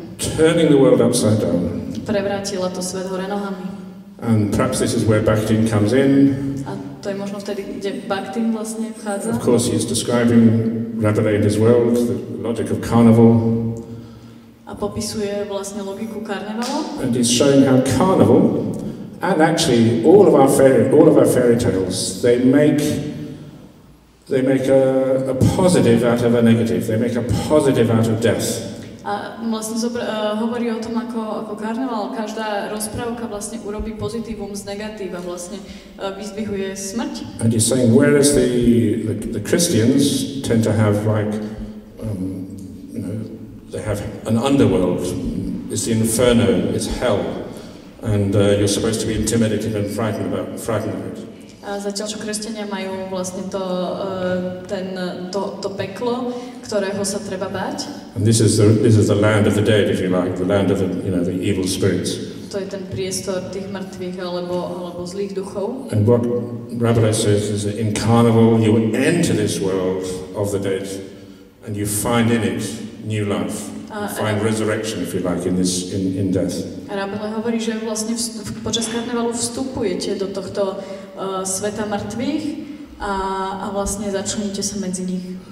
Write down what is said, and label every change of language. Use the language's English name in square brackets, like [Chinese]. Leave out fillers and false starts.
[English] Turning the world upside down. [Slovak] Prevrátila to svet hore nohami. [English] And perhaps this is where Bakhtin comes in. [Slovak] A to je možno vtedy, kde Bakhtin vlastne vchádza. [English] Of course he's describing Rabelais and his world, the logic of carnival. [Slovak] A popisuje vlastne logiku karnevalu. [English] And he's showing how carnival and actually all of our fairy tales, they make a positive out of a negative. They make a positive out of death. [Slovak] A vlastne hovorí o tom, ako karneval, každá rozprávka vlastne urobí pozitívum z negatíva, vlastne vyzdvihuje smrť. [English] And you're saying, whereas the Christians tend to have like, you know, they have an underworld. It's the inferno, it's hell. And you're supposed to be intimidated and frightened of it. [Slovak] A zatiaľ, čo kresťania majú vlastne to, ten, to, to peklo, ktorého sa treba báť. [English] And this is the land of the dead, if you like, the land of the, you know, the evil spirits. [Slovak] To je ten priestor tých mŕtvych alebo, alebo zlých duchov. [English] And what Rabbi says is that in carnival you enter this world of the dead and you find in it new life. Find resurrection, if you like, in this, in death. [Slovak] Rabbi hovorí, že vlastne počas karnevalu vstupujete do tohto sveta mŕtvych a vlastne začnete sa medzi nich.